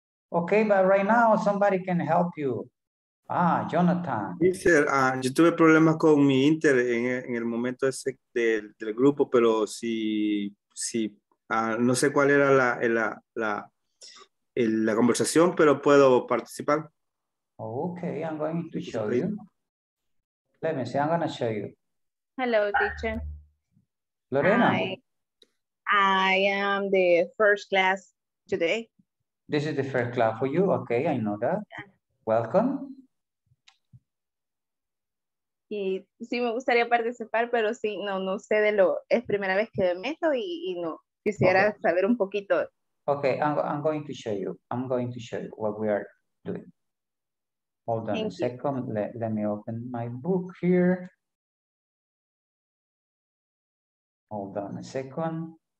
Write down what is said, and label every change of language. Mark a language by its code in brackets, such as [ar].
[en] Okay, but right now somebody can help you. Ah, Jonathan. [es] Teacher, yo tuve problemas con mi inter en el momento ese del grupo, pero no sé cuál era la conversación, pero puedo participar. [en] Okay, I'm going to show you. Let me see, I'm going to show you. Hello, teacher. Lorena. I am the first class today. This is the first class for you. Okay, I know that. Yeah. Welcome. [es] Y sí me gustaría participar, pero sí, no sé de lo, es primera vez que me meto y no, quisiera okay. Saber un poquito. [en] Okay, I'm going to show you what we are doing. Hold on a second, let me open my book here. Hold on a second.